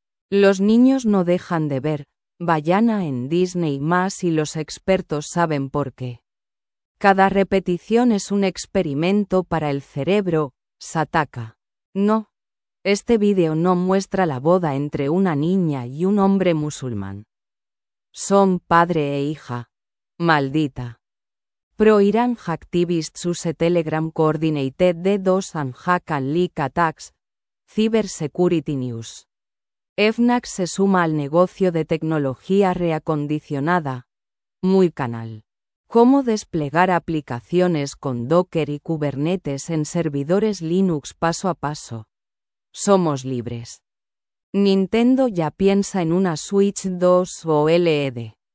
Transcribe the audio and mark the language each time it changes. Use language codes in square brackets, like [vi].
[es] Los niños no dejan de ver Bayana en Disney más y los expertos saben por qué. Cada repetición es un experimento para el cerebro, Sataka. No. Este vídeo no muestra la boda entre una niña y un hombre musulmán. Son padre e hija. Maldita. [en] Pro-Iran hacktivists use Telegram coordinated DDoS and hack and leak attacks. Cybersecurity News. [es] FNAC se suma al negocio de tecnología reacondicionada. Muy canal. ¿Cómo desplegar aplicaciones con Docker y Kubernetes en servidores Linux paso a paso? Somos libres. Nintendo ya piensa en una Switch 2 o OLED.